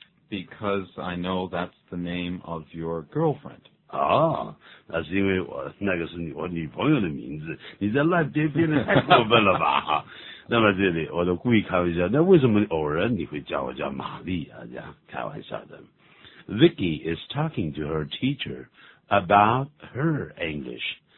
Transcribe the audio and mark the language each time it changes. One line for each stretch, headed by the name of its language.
English: Because I know that's the name of your girlfriend.
Chinese: 哦，那是因为我那个是我女朋友的名字。你在乱编编的太过分了吧？那么这里我都故意开玩笑，那为什么偶然你会叫我叫玛丽啊，这样开玩笑的。
English: Vicky is talking to her teacher about her English.